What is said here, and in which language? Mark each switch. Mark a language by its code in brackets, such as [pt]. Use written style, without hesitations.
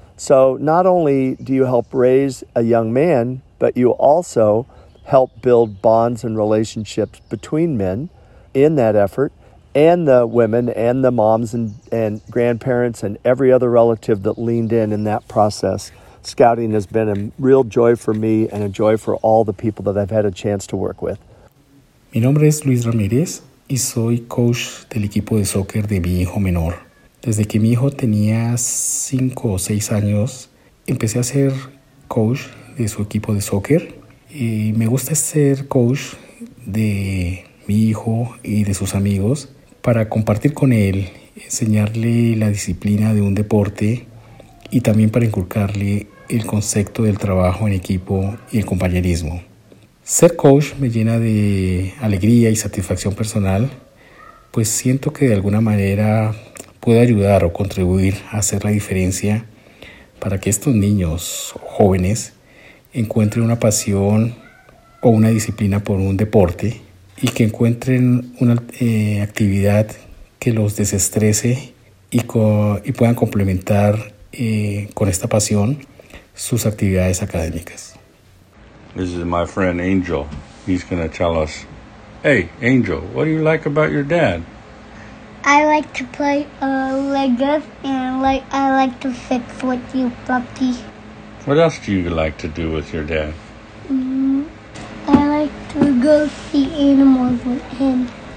[en] So not only do you help raise a young man, but you also help build bonds and relationships between men in that effort and the women and the moms and grandparents and every other relative that leaned in that process. Scouting has been a real joy for me and a joy for all the people that I've had a chance to work with. [es] Mi nombre es Luis Ramírez y soy coach del equipo de soccer de mi hijo menor. Desde que mi hijo tenía 5 o 6 años, empecé a ser coach de su equipo de soccer. Y me gusta ser coach de mi hijo y de sus amigos para compartir con él, enseñarle la disciplina de un deporte y también para inculcarle el concepto del trabajo en equipo y el compañerismo. Ser coach me llena de alegría y satisfacción personal, pues siento que de alguna manera puedo ayudar o contribuir a hacer la diferencia para que estos niños jóvenes encuentren una pasión o una disciplina por un deporte y que encuentren una actividad que los desestrese y puedan complementar con esta pasión sus actividades académicas. [en] This is my friend Angel. He's gonna tell us, hey Angel, what do you like about your dad? I like to play Legos and I like to fix with you, puppy. What else do you like to do with your dad? I like to go see animals with him.